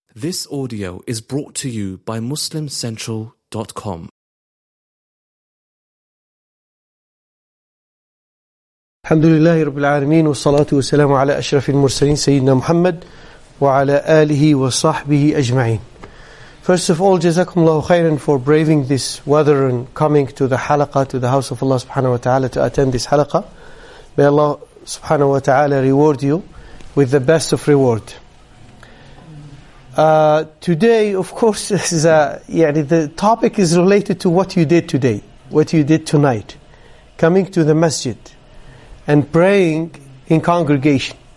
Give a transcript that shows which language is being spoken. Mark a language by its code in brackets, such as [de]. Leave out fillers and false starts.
[en] This audio is brought to you by MuslimCentral.com. [ar] الحمد لله رب العالمين والصلاة والسلام على أشرف المرسلين سيدنا محمد وعلى آله وصحبه أجمعين. [en] First of all, [ar] جزاكم الله خيرا [en] for braving this weather and coming to the halaqa, to the house of Allah subhanahu wa ta'ala to attend this halaqa. May Allah subhanahu wa ta'ala reward you with the best of reward. Today, of course, this is the topic is related to what you did today, what you did tonight, coming to the masjid and praying in congregation.